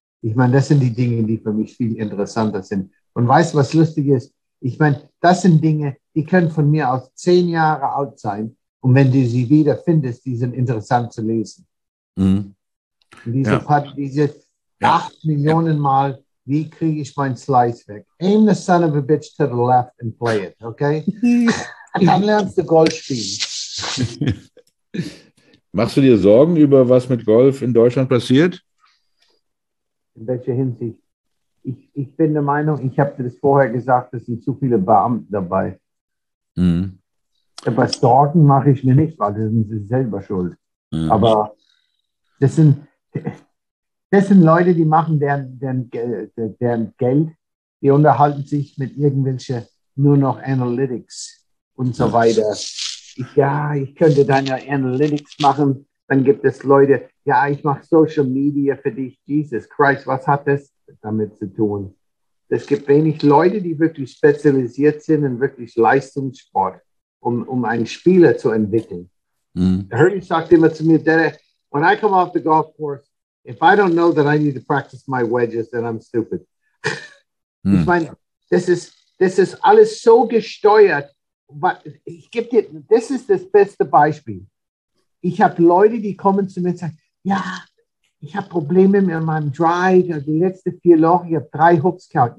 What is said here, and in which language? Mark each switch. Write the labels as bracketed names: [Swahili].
[German] Ich meine, das sind die Dinge, die für mich viel interessanter sind. Und weißt du, was lustig ist? Ich meine, das sind Dinge, die können von mir aus 10 Jahre alt sein. Und wenn du sie wieder findest, die sind interessant zu lesen. Mhm. Und diese diese 8 Millionen Mal, wie kriege ich mein Slice weg? [English] Aim the son of a bitch to the left and play it, okay? [German] Und dann lernst du Golf spielen. Machst du dir Sorgen über, was mit Golf in Deutschland passiert? In welcher Hinsicht? Ich bin der Meinung, ich habe dir das vorher gesagt, es sind zu viele Beamte dabei. Mhm. Aber Sorgen mache ich mir nicht, weil das sind sie selber schuld. Mhm. Aber das sind Leute, die machen deren Geld, die unterhalten sich mit irgendwelchen nur noch Analytics. Und so weiter. Ich könnte dann ja Analytics machen. Dann gibt es Leute, ja, ich mache Social Media für dich. Jesus Christ, was hat das damit zu tun? Es gibt wenig Leute, die wirklich spezialisiert sind in wirklich Leistungssport, um einen Spieler zu entwickeln. Mm. [English] Hurley [German] sagt immer zu mir, [English] Daddy, when I come off the golf course, if I don't know that I need to practice my wedges, then I'm stupid. Mm. [German] Ich meine, das ist alles so gesteuert. Ich gebe dir, das ist das beste Beispiel. Ich habe Leute, die kommen zu mir und sagen, ja, Ich habe Probleme mit meinem Drive, die letzten vier Loch, ich habe 3 Hooks gehabt.